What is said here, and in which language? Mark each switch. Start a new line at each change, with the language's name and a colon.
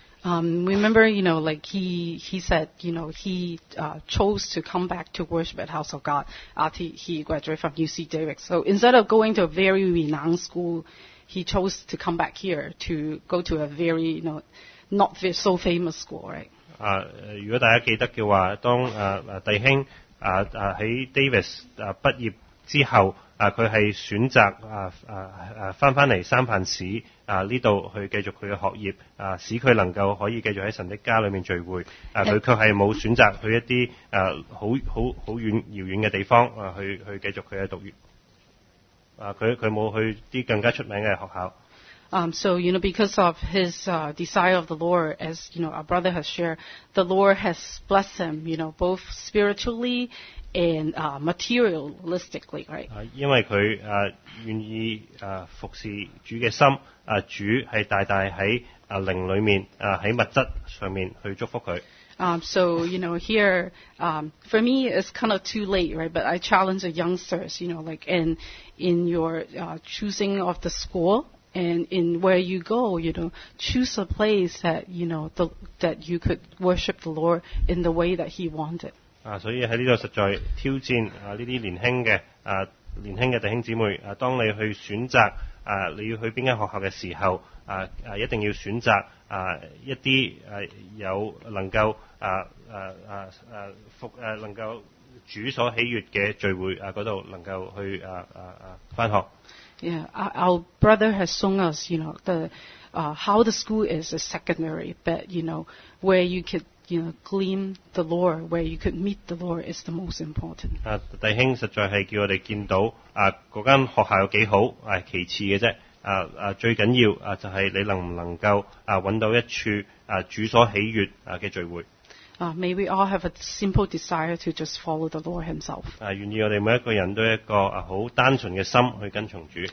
English: Remember, you know, like he said, you know, he chose to come back to worship at the house of God after he graduated from UC Davis. So instead of going to a very renowned school, he chose to come back here to go to a very, you know, not so famous school, right?
Chinese: 如果大家記得的話，當弟兄在 Davis 畢業之後，他是選擇回來三藩市這裡去繼續他的學業，使他能夠可以繼續在神的家裡面聚會，他卻是沒有選擇去一些很遠遙遠的地方去繼續他的讀業，他沒有去一些更加出名的學校。
English: So, you know, because of his desire of the Lord, as, you know, our brother has shared, the Lord has blessed him, you know, both spiritually and materialistically, right?
Chinese: 因為他願意服侍主的心，主是大大在靈裡面，在物質上面去祝福他。
English: So, you know, here, for me, it's kind of too late, right? But I challenge the youngsters, you know, like in your choosing of the school,And in where you go, you know, choose a place that, you know, that you could worship the Lord in the way that he wanted.
Chinese: 所以在這裡實在挑戰這些年輕的弟兄姊妹，當你去選擇你要去哪間學校的時候，一定要選擇一些有能夠能夠主所喜悅的聚會，那裡能夠去翻學。
English: Yeah, our brother has shown us, you know, how the school is secondary, but, you know, where you could, you know, glean the Lord, where you could meet the Lord is the most important.
Chinese: 弟兄實在是叫我們見到那間學校有多好，其次的啫，最緊要就是你能不能夠找到一處主所喜悅的聚會。
English: May we all have a simple desire to just follow the Lord himself.
Chinese: 願意我們每一個人都有一個很單純的心去跟從主。